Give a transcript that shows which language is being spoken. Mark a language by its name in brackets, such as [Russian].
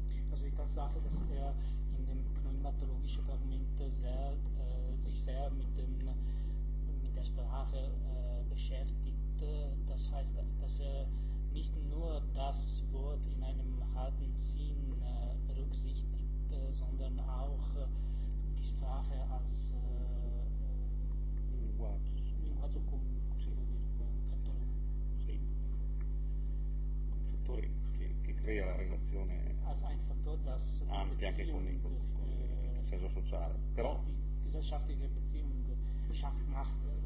[German] Also die Tatsache, dass er in dem klimatologischen Fragment sich sehr mit der Sprache beschäftigt, das heißt, dass er nicht nur das Wort in einem harten Sinn berücksichtigt, sondern auch die Sprache als [Italian] Linguaggio comune, un fattore che crea la relazione ampia anche con il senso sociale, però [German] die gesellschaftliche Beziehung schafft macht,